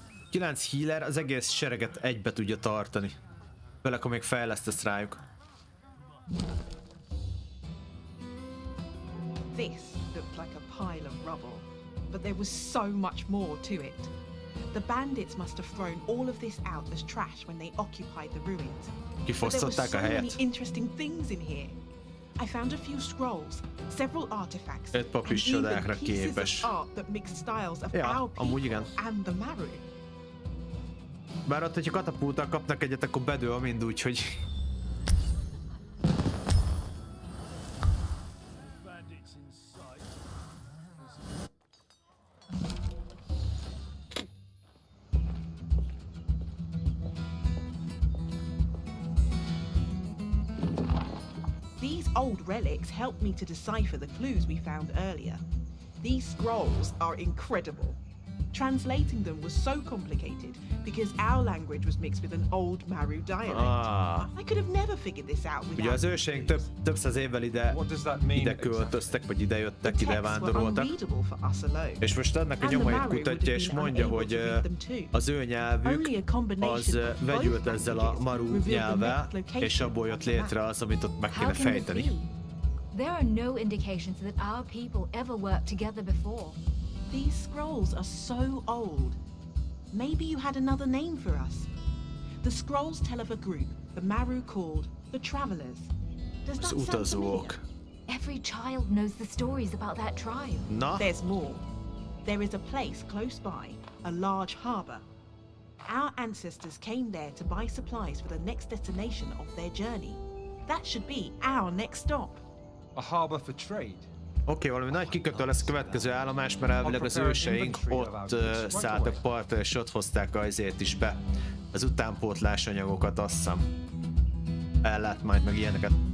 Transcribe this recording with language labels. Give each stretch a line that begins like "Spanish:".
Hungarian: Kilenc healer az egész sereget egybe tudja tartani, főleg ha még fejlesztesz rájuk.
English: This looked like a pile of rubble. But there was so much more to it. The bandits must have thrown all of this out as trash when they occupied the ruins.
Hungarian: Kifosztották a helyet.
English: But there were so many interesting things in here. I found a few scrolls, several artifacts, and even pieces of art that mixed styles of our people and the Maru.
Hungarian: Bár ott, hogyha katapulttal kapnak egyet, akkor bedől a mind úgy, hogy...
English: Relics helped me to decipher the clues we found earlier. These scrolls are incredible. Translating them was so complicated because our language was mixed with an old Maru dialect. I could have never figured this out without.
Hungarian: Ugye az őseink több száz évvel ide költöztek, vagy ide jöttek, ide vándoroltak. És most ennek a nyomait kutatja és mondja, hogy az ő nyelvük az vegyült ezzel a Maru nyelvvel, és abból jött létre az, amit ott meg kéne fejteni.
English: There are no indications that our people ever worked together before. These scrolls are so old. Maybe you had another name for us. The scrolls tell of a group the Maru called the Travelers. Does that sound familiar? Every child knows the stories about that tribe. No. There's more. There is a place close by, a large harbor. Our ancestors came there to buy supplies for the next destination of their journey. That should be our next stop. A harbor for trade.
Hungarian: Oké, valami nagy kikötő lesz a következő állomás, mert elvileg az őseink ott szálltak partra, és ott hozták azért is be az utánpótlás anyagokat, azt hiszem. Ellát majd meg ilyeneket.